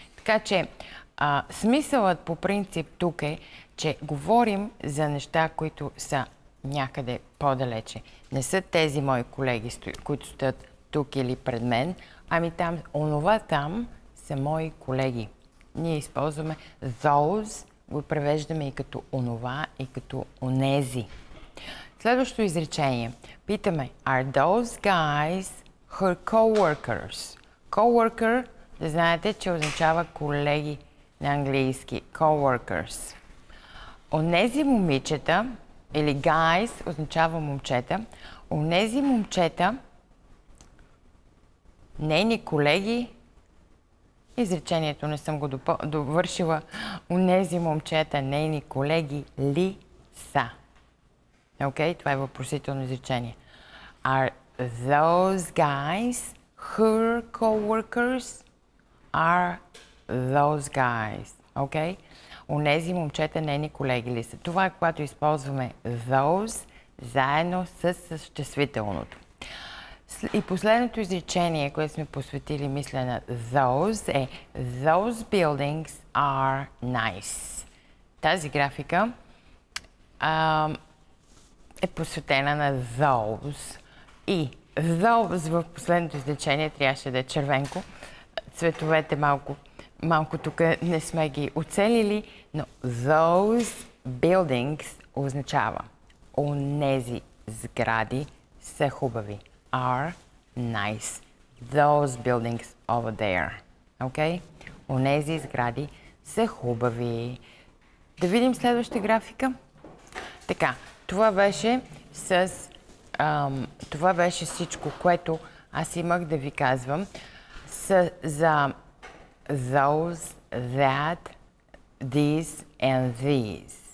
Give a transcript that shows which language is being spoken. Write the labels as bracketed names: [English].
[Bulgarian] Така че смисълът по принцип тук е, че говорим за неща, които са някъде по-далече. Не са тези мои колеги, които стоят тук или пред мен, ами там, онова там са мои колеги. Ние използваме those, го превеждаме и като онова, и като онези. Следващото изречение. Питаме, [English] are those guys her co-workers? [Bulgarian] Co-worker, да знаете, че означава колеги на английски. [English] Co-workers. [Bulgarian] Онези момичета, или guys, означава момчета. Онези момчета, нейни колеги, изречението не съм го довършила, онези момчета, нейни колеги ли са? Окей, okay, това е въпросително изречение. [English] Are those guys her co-workers? Are those guys? Окей? Okay? [Bulgarian] Онези момчета, нейни колеги ли са? Това е когато използваме those заедно с съществителното. И последното изречение, което сме посветили мисля на those е [English] those buildings are nice. [Bulgarian] Тази графика е посветена на those. И those в последното изречение трябваше да е червенко. Цветовете малко тук не сме ги оцелили, но those buildings означава онези сгради са хубави. [English] Are nice. Those buildings over there. [Bulgarian] Окей? Okay? Онези сгради са хубави. Да видим следващата графика. Така. Това беше всичко, което аз имах да ви казвам за those, that, this and these.